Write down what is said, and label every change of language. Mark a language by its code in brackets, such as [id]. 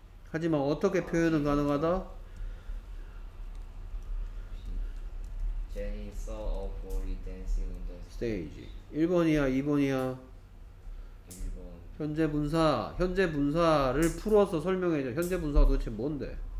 [ko] 하지만 어떻게 표현은 가능하다? [en] Jenny saw a boy dancing on the stage. [ko] 1번이야, 2번이야. 1번. 현재 분사, 현재 분사를 풀어서 설명해줘. 현재 분사가 도대체 뭔데?